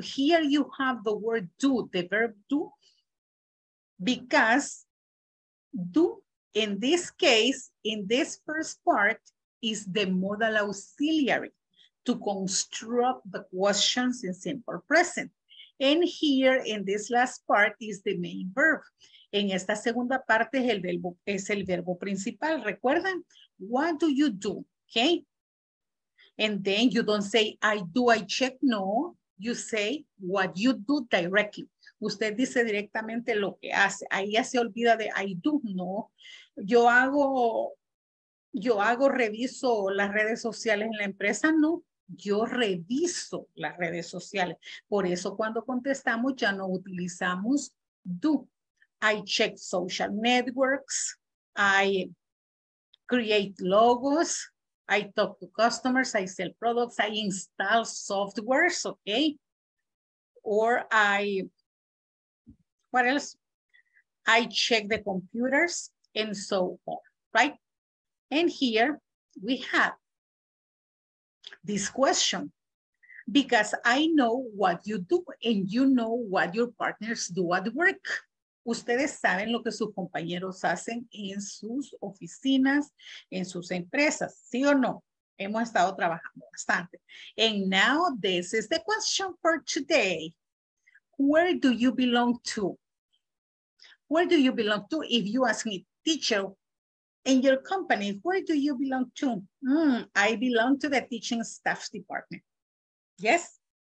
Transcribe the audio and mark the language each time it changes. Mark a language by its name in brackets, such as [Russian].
[English] Here you have the word do, the verb do, because do, in this case, in this first part, is the modal auxiliary to construct the questions in simple present. And here, in this last part, is the main verb. [Spanish] En esta segunda parte es el verbo principal. ¿Recuerdan? [English] What do you do? Okay. And then you don't say, I do, I check. No, you say what you do directly. [Spanish] Usted dice directamente lo que hace. Ahí ya se olvida de [English] I do. [Spanish] No, yo reviso las redes sociales en la empresa. No, yo reviso las redes sociales. Por eso cuando contestamos ya no utilizamos do. [English] I check social networks. I create logos. I talk to customers. I sell products. I install softwares. Okay. Or I, what else? I check the computers and so on. Right. And here we have this question. Because I know what you do and you know what your partners do at work. [Spanish] Ustedes saben lo que sus compañeros hacen en sus oficinas, en sus empresas, ¿sí o no? Hemos estado trabajando bastante. [English] And now this is the question for today. Where do you belong to? Where do you belong to? If you ask me, teacher, in your company, where do you belong to? I belong to the teaching staff department. Yes?